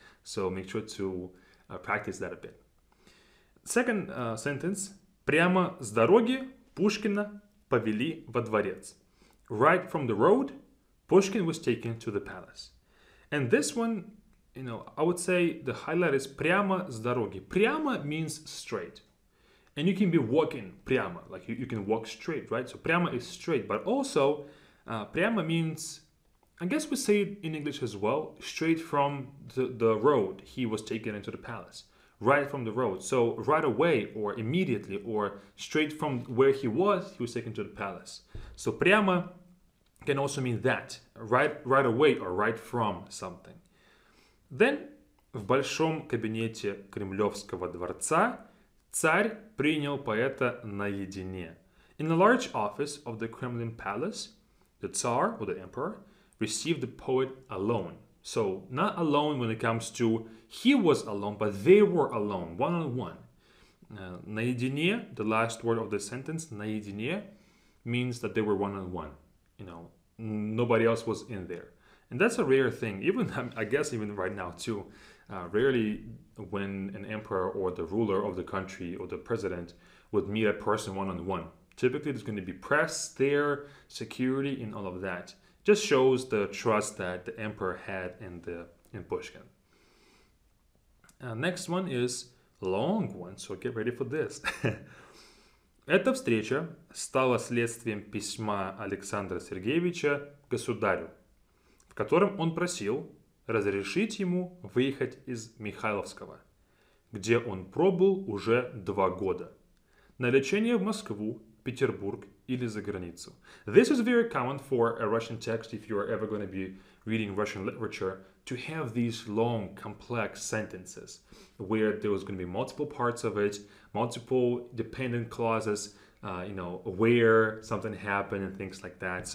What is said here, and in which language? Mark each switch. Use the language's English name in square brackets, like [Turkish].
[English] So make sure to practice that a bit. Second sentence. [Russian] Прямо с дороги Пушкина повели во дворец. [English] Right from the road, Pushkin was taken to the palace. And this one, you know, I would say the highlight is [Russian] прямо с дороги. [English] Прямо means straight. And you can be walking прямо, like you can walk straight, right? So прямо is straight, but also прямо means, I guess we say it in English as well, straight from the road he was taken into the palace. Right from the road. So right away or immediately or straight from where he was taken to the palace. So прямо can also mean that, right away or right from something. [Russian] Then, в большом кабинете Кремлевского дворца царь принял поэта наедине. [English] In the large office of the Kremlin palace, the Tsar, or the Emperor, received the poet alone. So, not alone when it comes to he was alone, but they were alone, one-on-one. Наедине, the last word of the sentence, наедине, means that they were one-on-one. You know, nobody else was in there. And that's a rare thing, even I guess even right now too. Rarely when an emperor or the ruler of the country or the president would meet a person one-on-one. Typically, there's going to be press there, security, and all of that. Just shows the trust that the emperor had in Pushkin. Next one is long one, so get ready for this. [Russian] Эта встреча стала следствием письма Александра Сергеевича государю, в котором он просил разрешить ему выехать из Михайловского, где он пробыл уже 2 года, на лечение в Москву, Петербург или за границу. [English] This is very common for a Russian text, if you are ever going to be reading Russian literature, to have these long, complex sentences, where there was going to be multiple parts of it, multiple dependent clauses, where something happened and things like that.